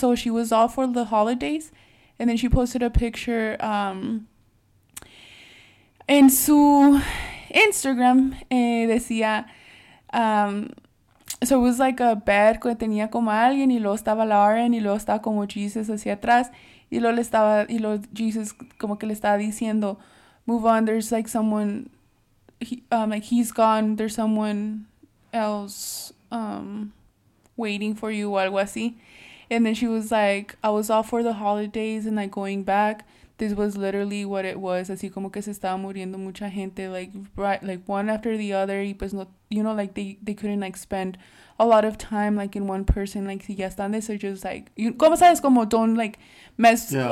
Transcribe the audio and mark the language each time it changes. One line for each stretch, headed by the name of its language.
English: So she was off for the holidays, and then she posted a picture in
Spanish: su Instagram. Decía,
English: so it was like a bed
Spanish: que tenía como alguien, y luego estaba la RN, y luego estaba como Jesus hacia atrás, y luego le estaba, y luego Jesus como que le estaba diciendo,
English: move on, there's like someone, like he's gone, there's someone else waiting for you,
Spanish: o algo así.
English: And then she was like, I was off for the holidays, and like going back, this was literally what it was.
Spanish: Así como que se estaba muriendo mucha gente,
English: like, right, like one after the other,
Spanish: y pues no,
English: you know, like they couldn't like spend a lot of time like in one person, like
Spanish: si ya están de eso,
English: just like, you,
Spanish: como sabes, como
English: don't like mess, yeah.